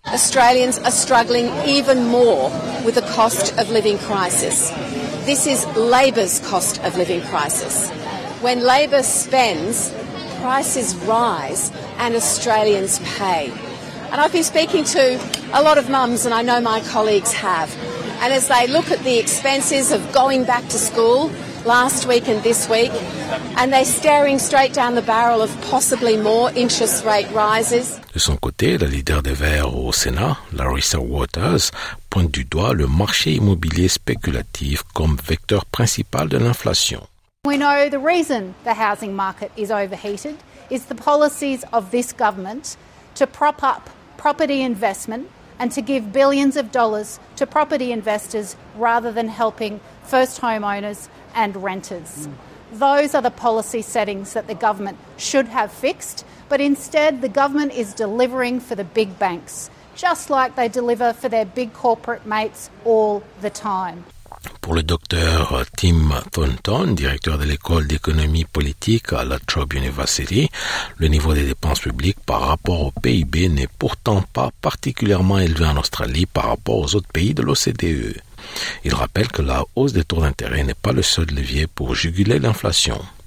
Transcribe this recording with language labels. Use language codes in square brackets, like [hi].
[en] Australians are struggling even more with the cost of living crisis. This is Labor's cost of living crisis. When Labor spends, prices rise and Australians pay. And I've been speaking to a lot of mums, and I know my colleagues have. And as they look at the expenses of going back to school last week and this week, and they're staring straight down the barrel of possibly more interest rate rises. [fr] De son côté, la leader des Verts au Sénat, Larissa Waters, pointe du doigt le marché immobilier spéculatif comme vecteur principal de l'inflation. [en] We know the reason the housing market is overheated is the policies of this government to prop up property investment and to give billions of dollars to property investors rather than helping first homeowners and renters. Those are the policy settings that the government should have fixed, but instead the government is delivering for the big banks, just like they deliver for their big corporate mates all the time. [fr] Pour le docteur Tim Thornton, directeur de l'école d'économie politique à la Trobe University, le niveau des dépenses publiques par rapport au PIB n'est pourtant pas particulièrement élevé en Australie par rapport aux autres pays de l'OCDE. Il rappelle que la hausse des taux d'intérêt n'est pas le seul levier pour juguler l'inflation.